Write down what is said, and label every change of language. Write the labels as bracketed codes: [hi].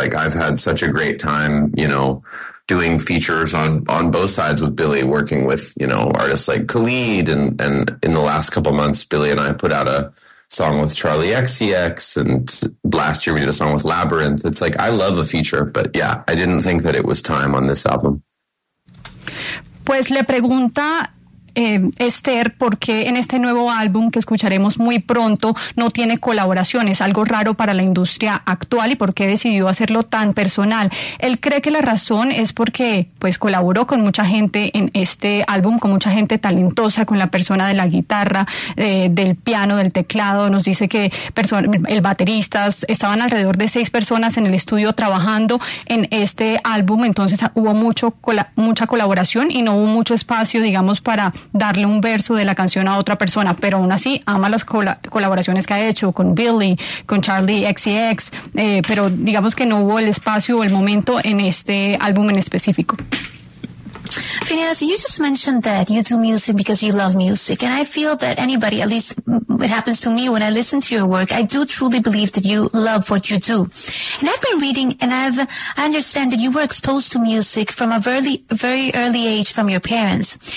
[en] Like, I've had such a great time, you know, doing features on both sides with Billy, working with, you know, artists like Khalid, and in the last couple of months, Billy and I put out a song with Charlie XCX, and last year we did a song with Labyrinth. It's like, I love a feature, but yeah, I didn't think that it was time on this album. [es] Pues le pregunta Esther, ¿por qué en este nuevo álbum que escucharemos muy pronto no tiene colaboraciones? Algo raro para la industria actual, ¿y por qué decidió hacerlo tan personal? Él cree que la razón es porque pues colaboró con mucha gente en este álbum, con mucha gente talentosa, con la persona de la guitarra, del piano, del teclado. Nos dice que el baterista, estaban alrededor de 6 personas en el estudio trabajando en este álbum, entonces hubo mucha colaboración y no hubo mucho espacio, digamos, para darle un verso de la canción a otra persona, pero aún así ama las colaboraciones que ha hecho con Billy, con Charlie XCX, pero digamos que no hubo el espacio o el momento en este álbum en específico. [en] Finneas, you just mentioned that you do music because you love music, and I feel that anybody, at least it happens to me when I listen to your work, I do truly believe that you love what you do. And I've been reading, and I understand that you were exposed to music from a very early age from your parents.